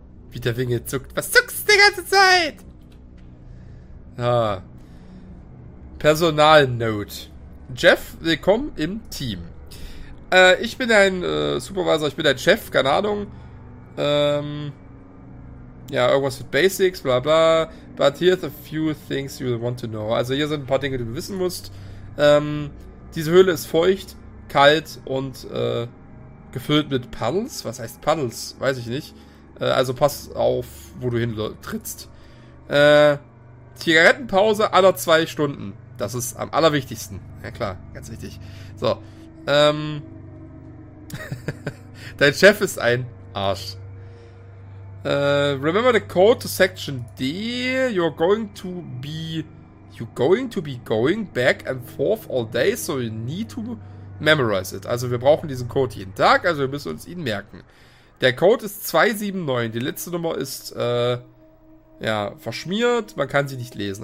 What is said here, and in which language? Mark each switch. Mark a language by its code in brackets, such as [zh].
[de] Wie der Winge zuckt. Was zuckst du die ganze Zeit? Ah. Personalnote. Jeff, willkommen im Team. Ich bin dein Supervisor, ich bin dein Chef, keine Ahnung. Ja, irgendwas mit Basics, bla bla. [en] But here's a few things you want to know. [de] Also hier sind ein paar Dinge, die du wissen musst. Diese Höhle ist feucht, kalt und gefüllt mit Puddles. Was heißt Puddles? Weiß ich nicht. Also pass auf, wo du hintrittst. Zigarettenpause alle 2 Stunden. Das ist am allerwichtigsten. Ja klar, ganz wichtig. So. Dein Chef ist ein Arsch. [en] Remember the code to section D. You're going to be going back and forth all day, so you need to memorize it. [de] Also wir brauchen diesen Code jeden Tag, also wir müssen uns ihn merken. Der Code ist 279. Die letzte Nummer ist verschmiert, man kann sie nicht lesen.